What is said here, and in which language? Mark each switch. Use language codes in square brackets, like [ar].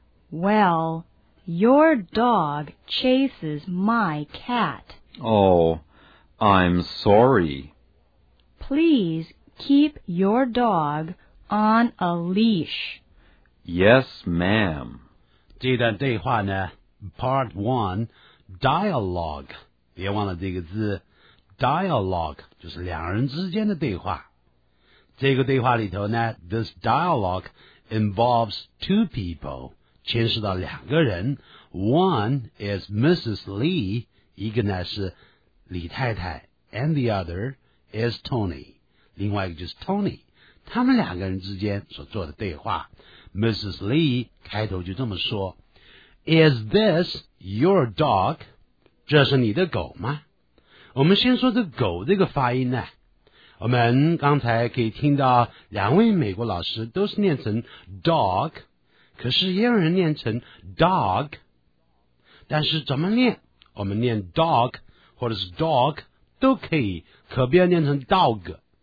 [en] Well, your dog chases my cat. Oh, I'm sorry. Please keep your dog on a leash. Yes, ma'am. [zh] 这段对话呢 ,part 1, dialogue. 别忘了这个字 ,dialogue, 就是两人之间的对话。这个对话里头呢 [en] ,this dialogue involves two people. [zh] 牵涉到两个人 , [en] one is [zh] Mrs. Lee, 一个呢是李太太 , [en] and the other is Tony, [zh] 另外一个就是 Tony, 他们两个人之间所做的对话。 [en] Mrs. [zh] Lee 开头就这么说 , [en] Is this your dog? [zh] 这是你的狗吗？我们先说这狗这个发音呢，我们刚才可以听到两位美国老师都是念成 dog,可是也有人念成 dog, 但是怎么念，我们念 dog 或者是 dog 都可以，可不要念成 dog。